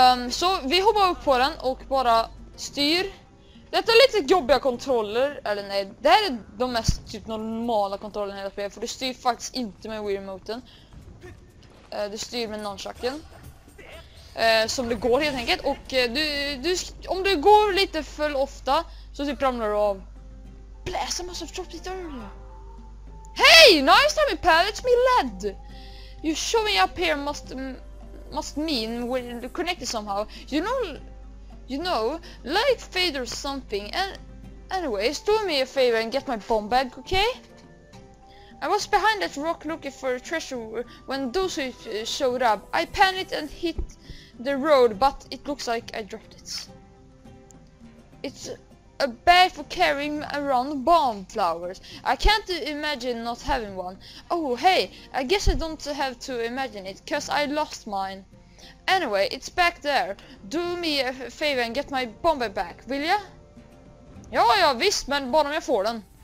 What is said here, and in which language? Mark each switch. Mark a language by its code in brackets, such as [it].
[sv] Så vi hoppar upp på den och bara styr. Detta är lite jobbiga kontroller, eller nej, det här är de mest typ normala kontrollerna i hela spelet, för du styr faktiskt inte med Wii Remoten. Du styr med nunchucken. Som det går helt enkelt, och om du går lite för ofta så typ ramlar du av. [en] Blast, I must have dropped it earlier. Hey, nice time, pal, it's me lad. You showing up here must mean we're connected somehow. You know, light fade or something. Anyways, do me a favor and get my bomb bag, okay? I was behind that rock looking for a treasure when those showed up. I panicked and hit the road, but it looks like I dropped it. It's a bag for carrying around bomb flowers. I can't imagine not having one. Oh, hey, I guess I don't have to imagine it, cause I lost mine. Anyway, it's back there. Do me a favor and get my bomber back, will ya? [sv] Ja, ja, visst, men bara om jag får den.